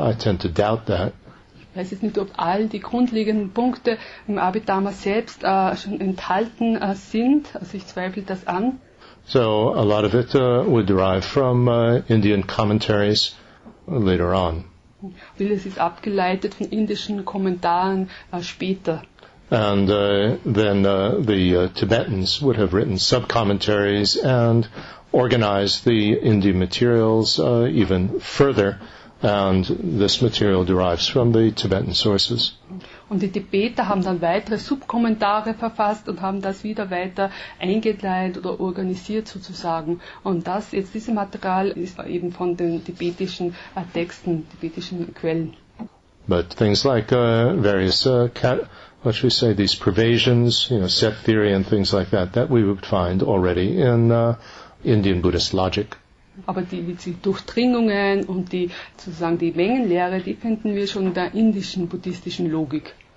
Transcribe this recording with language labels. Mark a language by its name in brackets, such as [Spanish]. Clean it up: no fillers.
[English] I tend to doubt that. [German] Ich weiß jetzt nicht, ob all die grundlegenden Punkte im Abhidhamma selbst schon enthalten sind. Also ich zweifle das an. [English] So, a lot of it would derive from Indian commentaries later on. [German] Vieles ist abgeleitet von indischen Kommentaren später. [English] And then the Tibetans would have written sub-commentaries and organized the Indian materials even further. And this material derives from the Tibetan sources. [German] Und die Tibeter haben dann weitere Subkommentare verfasst und haben das wieder weiter eingeteilt oder organisiert sozusagen. Und das jetzt dieses Material ist eben von den tibetischen Texten, tibetischen Quellen. [English] But things like various, what should we say, these pervasions, you know, set theory and things like that, that we would find already in Indian Buddhist logic. [German] Aber die Durchdringungen und die sozusagen die Mengenlehre, die finden wir schon in der indischen buddhistischen Logik.